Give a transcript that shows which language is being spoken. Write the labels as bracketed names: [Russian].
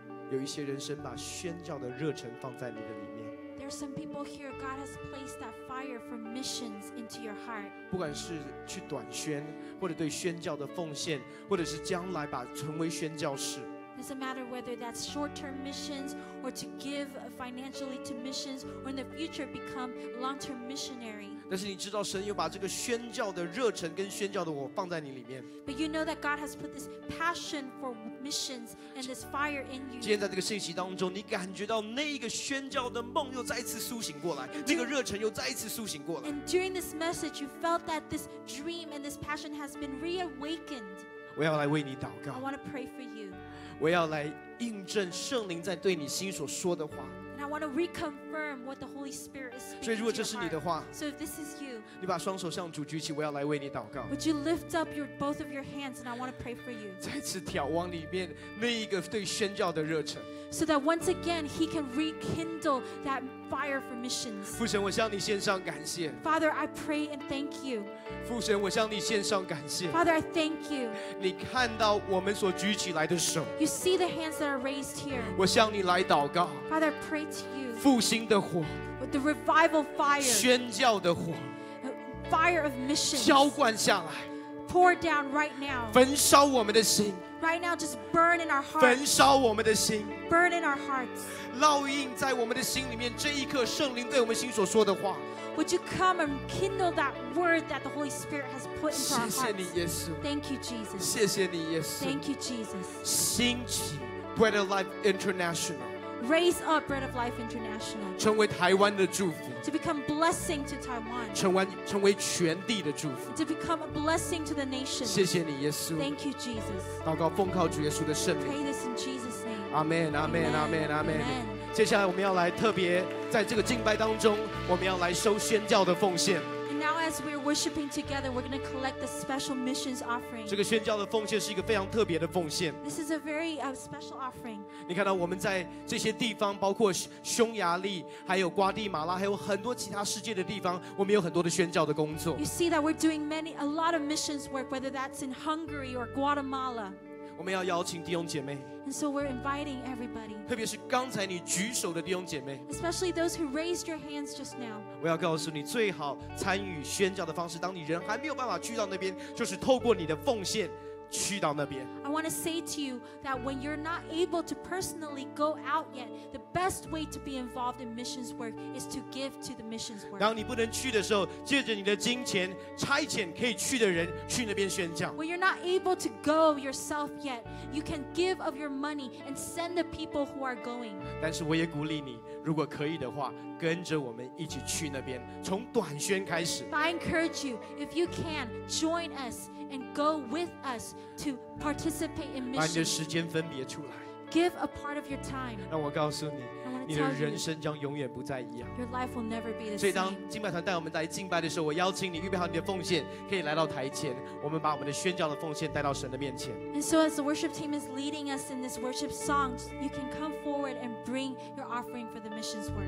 [Chinese] 有一些人生把宣教的热忱放在你的里面。 [English] There are some people here. God has placed that fire for missions into your heart. [Chinese] 不管是去短宣，或者对宣教的奉献，或者是将来把成为宣教士。 [English] Doesn't matter whether that's short-term missions or to give financially to missions or in the future become long-term missionary. [Chinese] 但是你知道神有把这个宣教的热忱跟宣教的我放在你里面。 [English] But you know that God has put this passion for missions and this fire in you. [Chinese] 今天在这个信息当中，你感觉到那一个宣教的梦又再一次苏醒过来，那个热忱又再一次苏醒过来。 [English] And during this message, you felt that this dream and this passion has been reawakened. [Chinese] 我要来为你祷告。 [English] I want to pray for you. [Chinese] 我要来印证圣灵在对你心所说的话。 [English] And I want to reconfirm what the Holy Spirit is speaking. [Chinese] 所以如果这是你的话， [English] so if this is you, [Chinese] 你把双手向主举起，我要来为你祷告。 [English] Would you lift up your both of your hands and I want to pray for you? [Chinese] 再次眺望里面那一个对宣教的热忱。 [English] So that once again he can rekindle that fire for missions. [Chinese] 父神，我向你献上感谢。 [English] Father, I pray and thank you. [Chinese] 父神，我向你献上感谢。 [English] Father, I thank you. [Chinese] 你看到我们所举起来的手。 [English] You see the hands that are raised here. [Chinese] 我向你来祷告。 [English] Father, I pray to you. [Chinese] 复兴的火。 [English] With the revival fire. [Chinese] 宣教的火。 [English] A fire of missions. [Chinese] 浇灌下来。 [English] Pour down right now. [Chinese] 焚烧我们的心。 [English] Right now, just burn in our hearts. [Chinese] 焚烧我们的心。 [English] Burn in our hearts. [Chinese] 烙印在我们的心里面，这一刻圣灵对我们心所说的话。 [English] Would you come and kindle that word that the Holy Spirit has put into our hearts? [Chinese] 谢谢你，耶稣。 [English] Thank you, Jesus. [Chinese] 谢谢你，耶稣。 [English] Thank you, Jesus. [Chinese] 兴起 Bread of Life International. [English] Raise up Bread of Life International. [Chinese] 成为台湾的祝福。 [English] To become blessing to Taiwan. [Chinese] 成为全地的祝福。 [English] To become a blessing to the nation. [Chinese] 谢谢你，耶稣。 [English] Thank you, Jesus. [Chinese] 祷告奉靠主耶稣的圣名。 [English] Pray this in Jesus' name. Amen. Amen. Amen. Amen. [Chinese] 接下来我们要来特别在这个敬拜当中，我们要来收宣教的奉献。 [English] And now, as we're worshiping together, we're going to collect the special missions offering. [Chinese] 这个宣教的奉献是一个非常特别的奉献。 [English] This is a very special offering. [Chinese] 你看到我们在这些地方，包括匈牙利，还有瓜地马拉，还有很多其他世界的地方，我们有很多的宣教的工作。 [English] You see that we're doing a lot of missions work, whether that's in Hungary or Guatemala. [Chinese] 我们要邀请弟兄姐妹 [English] And so we're inviting everybody. [Chinese] 特别是刚才你举手的弟兄姐妹 [English] Especially those who raised your hands just now. [Chinese] 我要告诉你最好参与宣教的方式当你人还没有办法去到那边就是透过你的奉献去到那边 [English] I want to say to you that when you're not able to personally go out yet, the best way to be involved in missions work is to give to the missions work. [Chinese] 当你不能去的时候，借着你的金钱差遣可以去的人去那边宣教。 [English] When you're not able to go yourself yet, you can give of your money and send the people who are going. [Chinese] 但是我也鼓励你，如果可以的话，跟着我们一起去那边，从短宣开始。 [English] But I encourage you, if you can, join us. And go with us to participate in mission. [Chinese] 把你的时间分别出来。 [English] Give a part of your time. [Chinese] 让我告诉你，你的人生将永远不再一样。 [English] Your life will never be the same. [Chinese] 所以，当敬拜团带我们来敬拜的时候，我邀请你预备好你的奉献，可以来到台前。我们把我们的宣教的奉献带到神的面前。 [English] And so, as the worship team is leading us in this worship song, you can come forward and bring your offering for the missions work.